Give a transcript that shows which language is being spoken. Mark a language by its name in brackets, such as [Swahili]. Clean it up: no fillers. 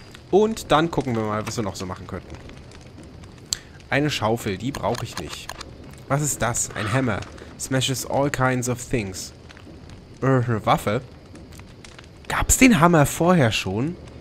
[German] Und dann gucken wir mal, was wir noch so machen könnten. Eine Schaufel, die brauche ich nicht. Was ist das? Ein Hammer. [English] Smashes all kinds of things. [German] Eine Waffe. Gab's den Hammer vorher schon?